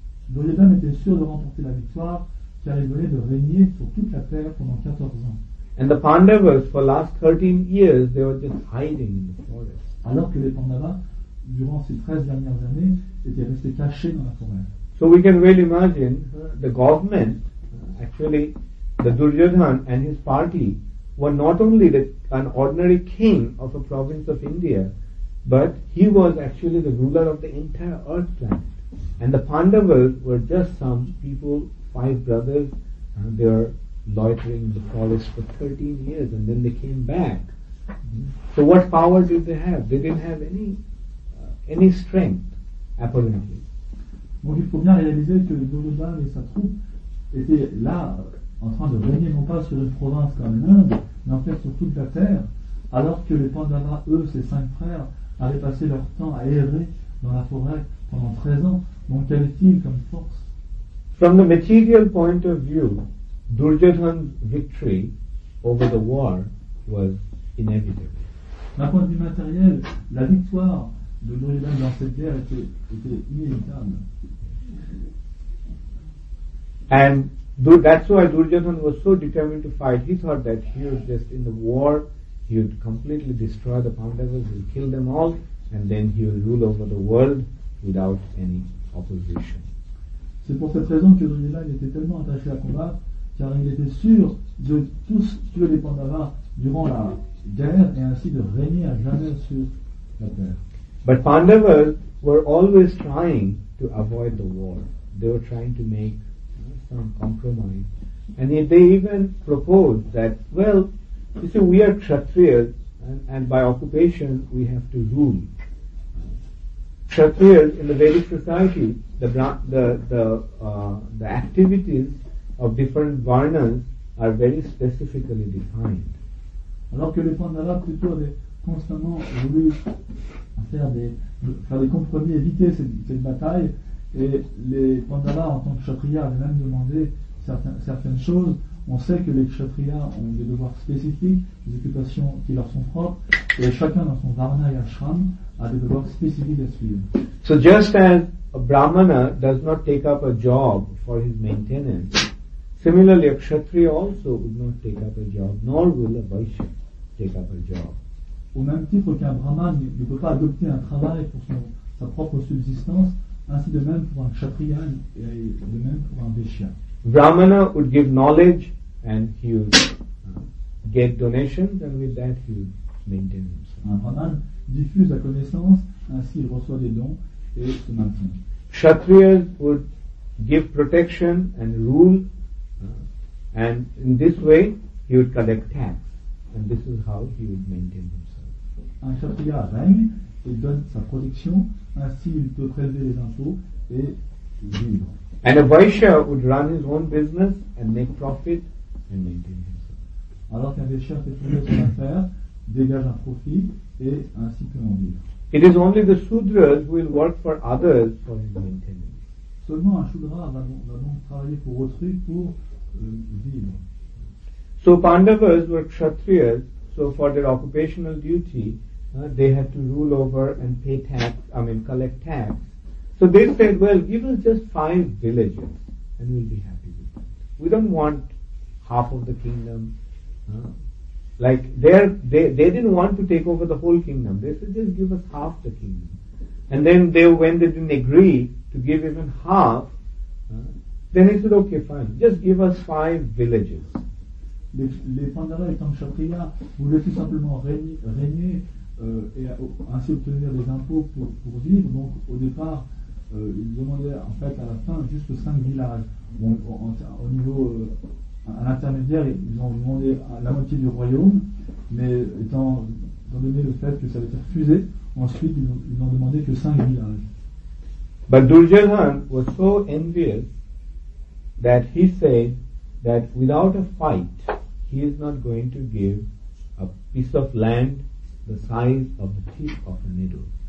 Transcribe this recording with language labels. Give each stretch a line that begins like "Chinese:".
French: Duryodhan était sûr de remporter la victoire car il venait de régner sur toute la Terre pendant 14 ans.
English: And the Pandavas, for the last 13 years, they were just hiding in the forest.
French: Alors que les Pandavas, durant ces 13 dernières années, étaient restés cachés dans la forêt.
English: So we can well imagine the government, actually, the Duryodhan and his party were not only an ordinary king of a province of India, but he was actually the ruler of the entire Earth planet. And the Pandavas were just some people, five brothers, and they were loitering in the forest for 13 years and then they came back. So what power did they have? They didn't have any strength, apparently.
French: Donc il faut bien réaliser que Duryodhan et sa troupe étaient là en train de régner non pas sur une province comme l'Inde, mais en fait sur toute la terre, alors que les Pandavas, eux, ces cinq frères, avaient passé leur temps à errer dans la forêt pendant 13 ans. Donc qu'avaient-ils comme force?
English: From the material point of view, Duryodhan's victory over the war was inevitable.
French: D'un point de vue matériel, la victoire de Duryodhan dans cette guerre était inévitable.
English: And that's why Duryodhan was so determined to fight. He thought that he was just in the war, he would completely destroy the Pandavas, he would kill them all, and then he would rule over the world without any opposition.
French: C'est pour cette raison que Duryodhan était tellement attaché à combattre, car il était sûr de tous tuer les Pandavas durant la guerre et ainsi de régner à jamais sur la terre.
English: But Pandavas were always trying to avoid the war. They were trying to make compromise. And they even proposed that, well, you see, we are Kshatriyas and by occupation we have to rule. Kshatriyas in the Vedic society, the activities of different varnas are very specifically defined.
French: Alors que les Pandavas plutôt avaient constamment voulu faire des compromis, éviter cette bataille. Et les Pandavas, en tant que Kshatriya, avaient même demandé certaines choses. On sait que les kshatriyas ont des devoirs spécifiques, des occupations qui leur sont propres, et chacun dans son varna et ashram a des devoirs spécifiques à suivre.
English: So just as a brahmana does not take up a job for his maintenance, similarly a kshatriya also would not take up a job, nor will a vaishya take up a job.
French: Au même titre qu'un brahman ne peut pas adopter un travail pour son, sa propre subsistance, ainsi de même pour un kshatriya et de même pour un vaishya.
English: Brahmana would give knowledge and he would get donations and with that he would maintain himself.
French: Un brahman diffuse la connaissance, ainsi il reçoit des dons et se maintient.
English: Kshatriyas would give protection and rule and in this way he would collect tax and this is how he would maintain himself.
French: Un kshatriya règne et donne sa protection, ainsi il peut prélever les impôts et vivre.
English: And a vaishya would run his own business and make profit and maintain himself.
French: Alors qu'un vaishya fait tout son affaire, dégage un profit et ainsi peut en vivre.
English: It is only the sudras who will work for others for his maintenance.
French: Seulement un shudra va donc travailler pour autrui pour vivre.
English: So Pandavas were kshatriyas, so for their occupational duty, they had to rule over and pay tax, I mean collect tax. So they said, well, give us just 5 villages and we'll be happy with that. We don't want half of the kingdom. Like, they didn't want to take over the whole kingdom. They said, just give us half the kingdom. And then when they didn't agree to give even half, then he said, okay, fine, just give us 5 villages.
French: Les Pandavas étant kshatriya voulaient tout simplement régner et ainsi obtenir des impôts pour vivre. Donc au départ, ils demandaient en fait à la fin juste 5 villages. Bon, au niveau à l'intermédiaire, ils ont demandé à la moitié du royaume, mais étant donné le fait que ça avait été refusé, ensuite ils n'ont demandé que 5 villages.
English: But Duryodhan was so envious that he said that without a fight he is not going to give a piece of land the size of the tip of a needle.